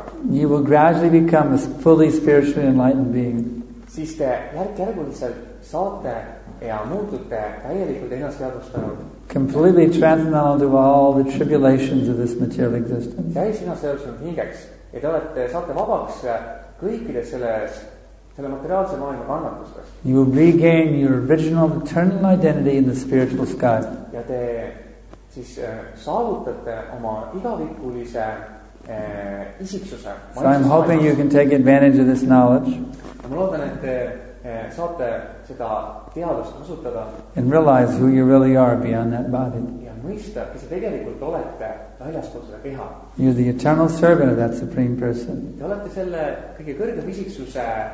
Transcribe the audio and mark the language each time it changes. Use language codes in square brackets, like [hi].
[en] You will gradually become a fully spiritually enlightened being. [et] Siis te järgulised saate ja muutute täielikult ennast teadustanud. [en] Completely transcendental to all the tribulations of this material existence. [et] Täis ennast teadustanud hingeks. Ja te olete, saate vabaks kõikide selle materiaalse maailma kannatustest. [en] You will regain your original eternal identity in the spiritual sky. [et] Ja te siis saavutate oma igavikulise [en] So I'm hoping you can take advantage of this knowledge. [et] Ma loodan, et te saate seda teadust kasutada. [en] And realize who you really are beyond that body. [et] Ja mõista, kes sa tegelikult olete väljaspool seda keha. [en] You're the eternal servant of that supreme person. [et] Te olete selle kõige kõrgem isiksuse.